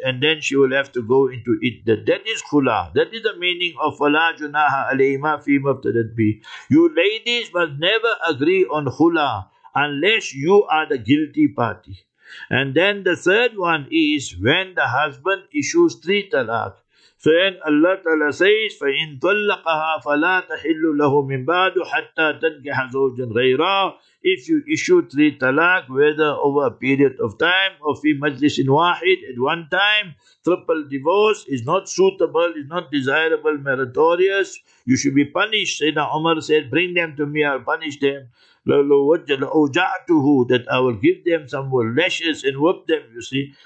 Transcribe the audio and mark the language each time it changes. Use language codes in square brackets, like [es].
[en] And then she will have to go into it. That is khula. That is the meaning of [ar] fala junaha alayhima fi maftadat bi. [en] You ladies must never agree on khula unless you are the guilty party. And then the third one is when the husband issues three talaq. So then Allah Ta'ala says, [ar] فَإِن طَلَّقَهَا فَلَا تَحِلُّ لَهُ مِنْ بَعْدُ حَتَّى تَنْكِحَ زَوْجًا غَيْرًا. [en] If you issue three talaq, whether over a period of time, or [ar] fi majlisin wahid, [en] at one time, triple divorce is not suitable, is not desirable, meritorious, you should be punished. Sayyidina Umar said, bring them to me, I'll punish them. That I will give them some more lashes and whip them, you see.